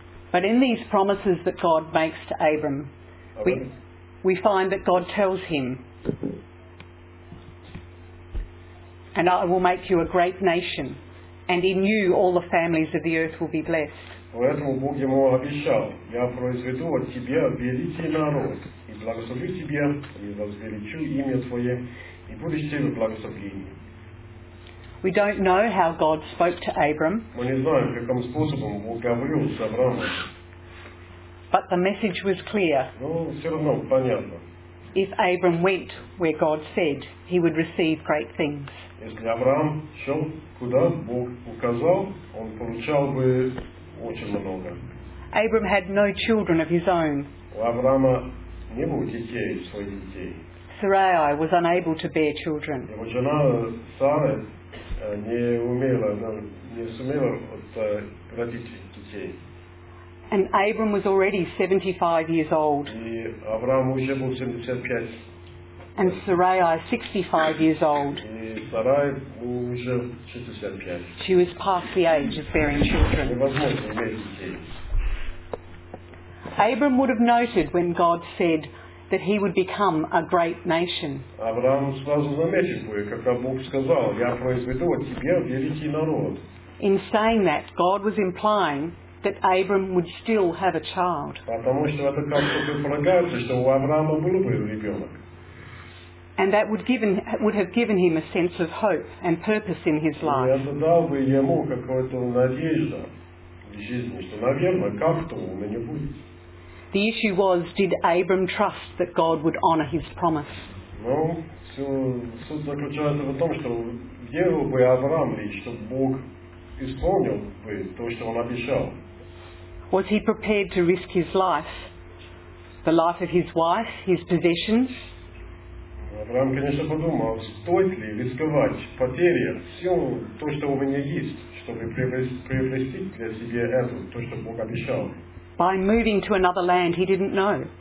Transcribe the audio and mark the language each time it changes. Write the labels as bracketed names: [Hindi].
[English] But in these promises that God makes to Abram, we find that God tells him, "And I will make you a great nation, and in you all the families of the earth will be blessed." [Russian] Поэтому Бог ему обещал: я произведу от тебя великий народ, и благословлю тебя, и возвеличу имя твое, и будешь ты в благословении. [English] We don't know how God spoke to Abram. [Russian] Мы не знаем, каким способом Бог говорил с Авраамом. [English] But the message was clear. [Russian] Но все равно понятно. [English] if Abram went where God said, he would receive great things. [Russian] Если Авраам шел, куда Бог указал, он получал бы очень много. [English] Abram had no children of his own. [Russian] У Авраама не было детей, своих детей. [English] Sarai was unable to bear children. [Russian] Его жена Сара не сумела родить детей. [English] And Abram was already 75 years old. [Russian] И Авраам уже был 75. [English] And Sarai 65 years old. [Russian] И Сарай уже 65. [English] She was past the age of bearing children. [Russian] Невозможно иметь детей. [English] Abram would have noted when God said that he would become a great nation. [Russian] Авраам сразу заметил бы, когда Бог сказал, я произведу от тебя великий народ. [English] In saying that, God was implying that Abram would still have a child. [Russian] Потому что это как-то предполагается, что у Авраама был бы ребенок. [English] And that would have given him a sense of hope and purpose in his life. [Russian] И это дал бы ему какую-то надежду в жизни, что, наверное, как-то у меня будет. [English] The issue was, did Abram trust that God would honor his promise? [Russian] Ну, суть заключается в том, что верил бы Авраам лишь, что Бог исполнил бы то, что он обещал. [English] Was he prepared to risk his life, the life of his wife, his possessions? [Russian] Авраам, конечно, подумал, стоит ли рисковать потерей всего то, что у меня есть, чтобы приобрести для себя это, то, что Бог обещал. [English] By moving to another land he didn't know.